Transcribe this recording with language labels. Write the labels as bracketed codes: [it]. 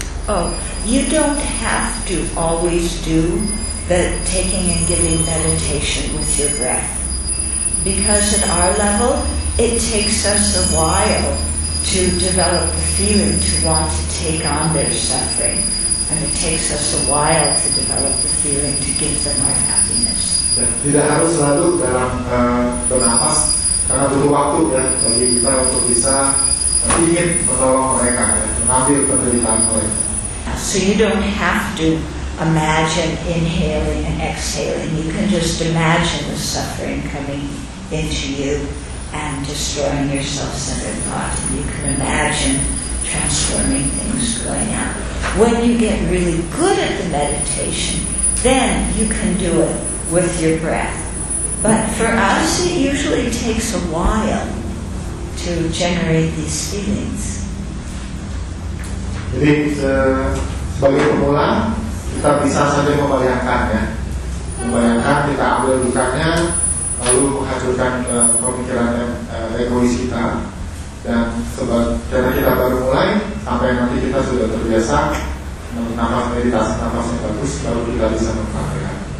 [en] Oh, you don't have to always do the taking and giving meditation with your breath. Because at our level, it takes us a while to develop the feeling to want to take on their suffering. And it takes us a while to develop the feeling to give them our happiness. [id] Tidak harus selalu dalam bernapas, karena butuh waktu ya bagi kita untuk bisa ingin menolong mereka, mengambil penderitaan mereka. [en] So you don't have to imagine inhaling and exhaling. You can just imagine the suffering coming into you and destroying your self-centered thought. And you can imagine transforming things going out. When you get really good at the meditation, then you can do it with your breath. But for us, it usually takes a while to generate these feelings. [id] Jadi sebagai pemula kita bisa saja membayangkan kita ambil dukanya lalu menghancurkan pemikiran egois kita, dan karena kita baru mulai sampai nanti kita sudah terbiasa menambah meditasi-nambah yang bagus lalu kita bisa mempraktikkan.